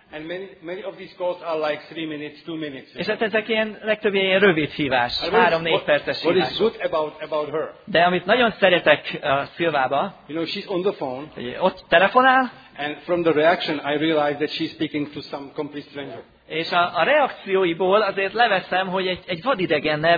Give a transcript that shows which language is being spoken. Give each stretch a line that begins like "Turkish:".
English: And many of these calls are like 3 minutes, 2 minutes.
Hungarian: És hát ezek ilyen legtöbb ilyen rövid hívás, 3-4 perces hívás.
English: What is good about her?
Hungarian: De amit nagyon szeretek Szilvába.
English: You know, she's on the phone.
Hungarian: Ott telefonál.
English: And from the reaction, I realize that she's speaking to some complete stranger.
Hungarian: És a reakcióiból azért leveszem, hogy egy vadidegennel